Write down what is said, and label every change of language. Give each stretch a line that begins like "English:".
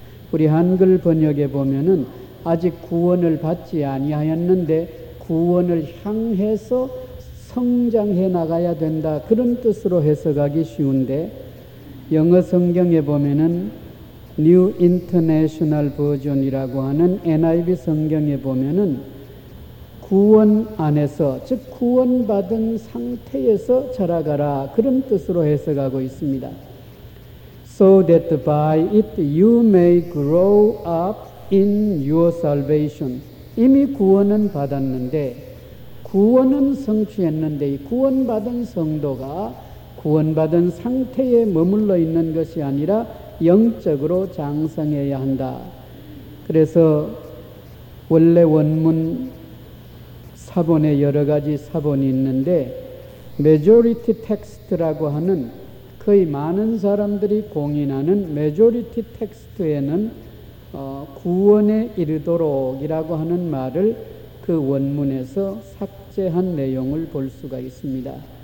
Korean: 우리 한글 번역에 보면은 아직 구원을 받지 아니하였는데 구원을 향해서 성장해 나가야 된다, 그런 뜻으로 해석하기 쉬운데, 영어 성경에 보면은 New International Version이라고 하는 NIV 성경에 보면은 구원 안에서, 즉 구원받은 상태에서 자라가라, 그런 뜻으로 해석하고 있습니다.
English: So that by it you may grow up in your salvation.
Korean: 이미 구원은 받았는데, 구원은 성취했는데, 구원받은 성도가 구원받은 상태에 머물러 있는 것이 아니라 영적으로 장성해야 한다. 그래서 원래 원문 사본에 여러 가지 사본이 있는데 메조리티 텍스트라고 하는 거의 많은 사람들이 공인하는 메조리티 텍스트에는 구원에 이르도록이라고 하는 말을 그 원문에서 삭제한 내용을 볼 수가 있습니다.